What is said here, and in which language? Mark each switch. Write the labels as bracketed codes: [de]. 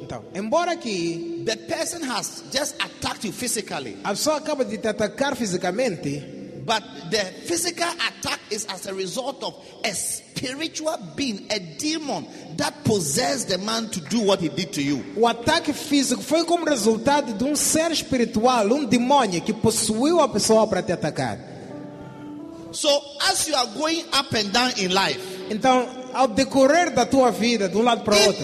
[pt] então, embora que [en] the person has just attacked you physically, [pt] a pessoa acaba de te atacar fisicamente, [en] but the physical attack is as a result of a spiritual being, a demon that possessed the man to do what he did to you. [pt] O ataque físico foi como resultado de ser espiritual, demônio que possuiu a pessoa para te atacar. [en] So as you are going up and down in life, [pt] então ao decorrer da tua vida, de lado para outro,